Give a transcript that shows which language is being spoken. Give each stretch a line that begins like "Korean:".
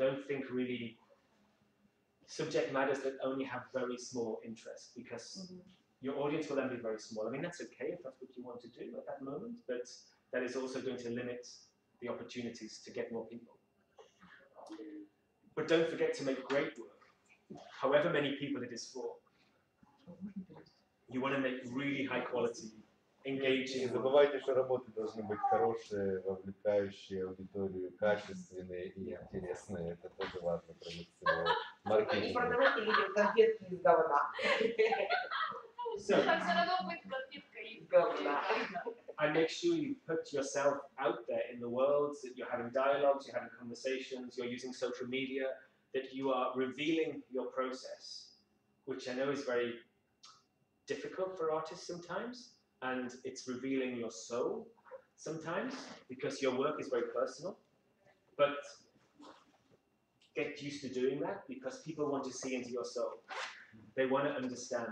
English: Don't think really subject matters that only have very small interest, because your audience will then be very small. I mean, that's okay if that's what you want to do at that moment, but that is also going to limit the opportunities to get more people. But don't forget to make great work, however many people it is for. You want to make really high quality, engaging.
Russian: Не забывайте, что работы должны быть хорошие, вовлекающие аудиторию, качественные и интересные. Это тоже важно про маркетинг. Не продавайте конфетки из говна.
English: So, I make sure you put yourself out there in the world, that you're having dialogues, you're having conversations, you're using social media, that you are revealing your process, which I know is very difficult for artists sometimes, and it's revealing your soul sometimes, because your work is very personal, but get used to doing that, because people want to see into your soul. They want to understand.